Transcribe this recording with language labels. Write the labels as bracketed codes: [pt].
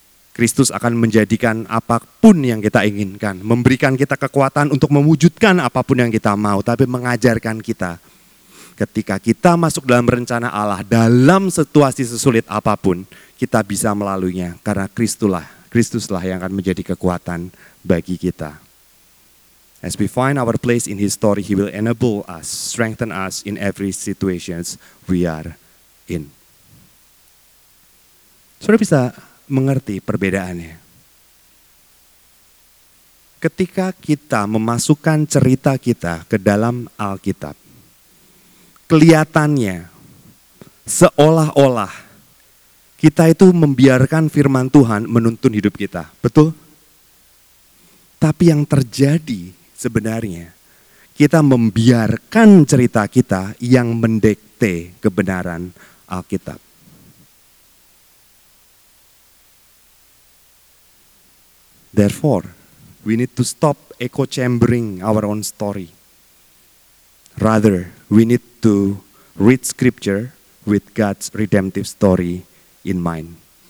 [id] Kristus akan menjadikan apapun yang kita inginkan, memberikan kita kekuatan untuk mewujudkan apapun yang kita mau, tapi mengajarkan kita ketika kita masuk dalam rencana Allah dalam situasi sesulit apapun, kita bisa melaluinya karena Kristuslah yang akan menjadi kekuatan bagi kita. [en] As we find our place in His story, He will enable us, strengthen us in every situations we are in. [id] Saudara bisa mengerti perbedaannya. Ketika kita memasukkan cerita kita ke dalam Alkitab, kelihatannya seolah-olah kita itu membiarkan firman Tuhan menuntun hidup kita. Betul? Tapi yang terjadi sebenarnya, kita membiarkan cerita kita yang mendikte kebenaran Alkitab. [en] Therefore, we need to stop echo chambering our own story. Rather, we need to read scripture with God's redemptive story in mind.